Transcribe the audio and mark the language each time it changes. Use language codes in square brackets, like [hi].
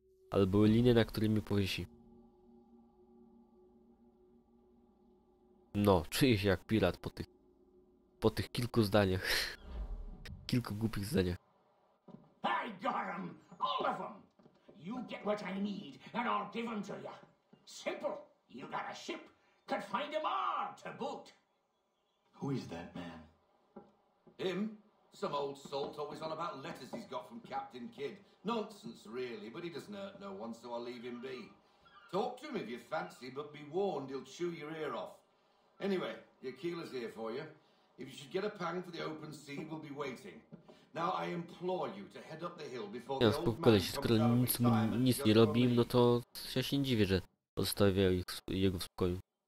[pl] Albo linie, na której mi powiesi. No, czuję się jak pirat po tych kilku zdaniach. Kilku głupich zdaniach. [en] I got 'em! All of 'em! You get what I need, and I'll give 'em to you. Simple! You got a ship, could find 'em all to boot. Who is that man? Him? Some old salt always on about letters he's got from Captain Kidd. Nonsense, really, but he doesn't hurt no one, so I'll leave him be. Talk to him if you fancy, but be warned, he'll chew your ear off. Anyway, your keeler's here for you. If you should get a pang for the open sea, we'll be waiting. Now I implore you to head up the hill before the old man comes home. [pl] Nic nie robi, no to ja się nie dziwię, że pozostawia jego w spokoju.